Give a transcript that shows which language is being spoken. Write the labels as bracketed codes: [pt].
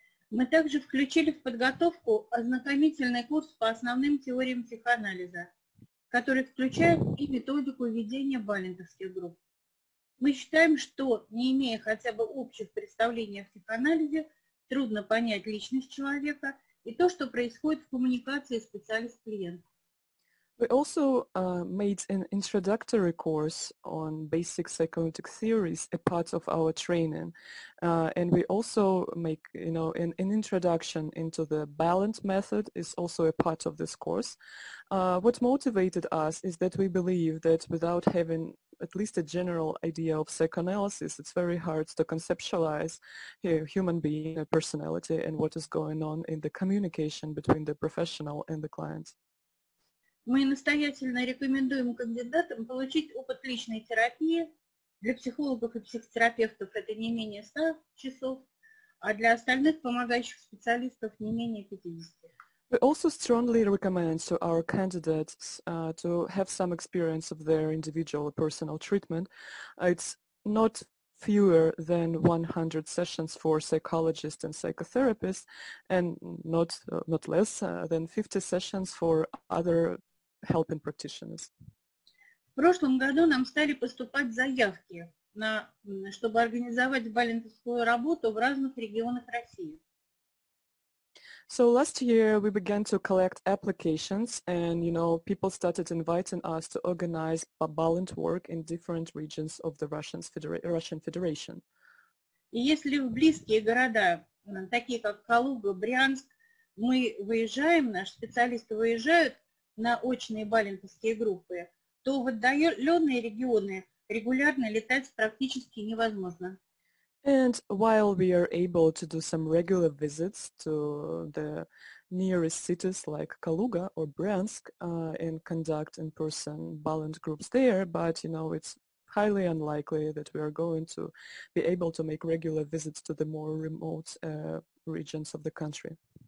[ru] Мы также включили в подготовку ознакомительный курс по основным теориям психоанализа, который включает и методику ведения балинтовских групп. Мы считаем, что, не имея хотя бы общих представлений о психоанализе, трудно понять личность человека и то, что происходит в коммуникации специалист-клиент. [en] We also made an introductory course on basic psychoanalytic theories a part of our training. And we also make, you know, an introduction into the Balint method is also a part of this course. What motivated us is that we believe that without having at least a general idea of psychoanalysis, it's very hard to conceptualize a human being, a personality, and what is going on in the communication between the professional and the client. [ru] Мы настоятельно рекомендуем кандидатам получить опыт личной терапии. Для психологов и психотерапевтов это не менее 100 часов, а для остальных помогающих специалистов не менее 50. [en] We also strongly recommend to our candidates to have some experience of their individual or personal treatment. It's not fewer than 100 sessions for psychologists and psychotherapists, and not less than 50 sessions for other helping practitioners. [ru] В прошлом году нам стали поступать заявки на чтобы организовать балинтовскую работу в разных регионах России. [en] So last year we began to collect applications, and you know, people started inviting us to organize Balint work in different regions of the Russian Federation. [ru] И если в близкие города, такие как Калуга, Брянск, мы выезжаем, наши специалисты выезжают на очные балинтовские группы, то в отдаленные регионы регулярно летать практически невозможно. [en] And while we are able to do some regular visits to the nearest cities like Kaluga or Bryansk and conduct in-person balloon groups there, but, you know, it's highly unlikely that we are going to be able to make regular visits to the more remote regions of the country.